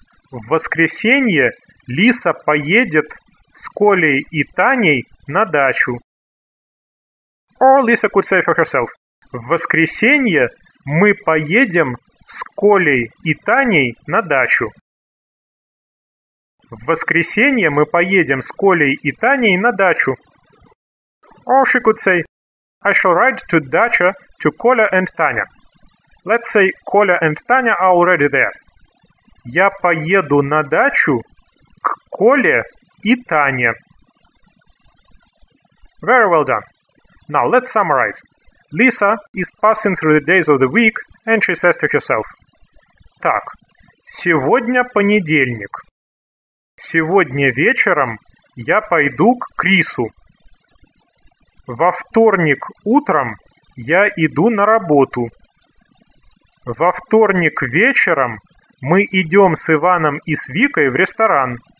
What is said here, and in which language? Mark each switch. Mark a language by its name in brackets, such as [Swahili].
[Russian] В воскресенье Лиса поедет с Колей и Таней на дачу. [English] Or Lisa could say for herself, [Russian] в воскресенье мы поедем с Колей и Таней на дачу. В воскресенье мы поедем с Колей и Таней на дачу. [English] Or she could say, I shall ride to dacha to Коля and Таня. Let's say Коля and Таня are already there. [Russian] Я поеду на дачу к Коле и Тане. [English] Very well done. Now let's summarize. Lisa is passing through the days of the week and she says to herself. [Russian] Так, сегодня понедельник. Сегодня вечером я пойду к Крису. Во вторник утром я иду на работу. Во вторник вечером мы идем с Иваном и с Викой в ресторан.